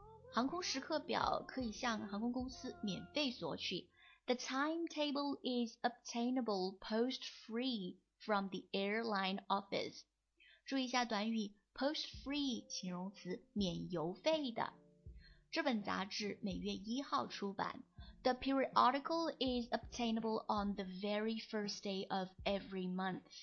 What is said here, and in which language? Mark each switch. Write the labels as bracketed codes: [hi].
[zh] 航空时刻表可以向航空公司免费索取。 [en] The timetable is obtainable post-free from the airline office. [zh] 注意一下短语 post-free 形容词免邮费的。这本杂志每月一号出版。 [en] The periodical is obtainable on the very first day of every month.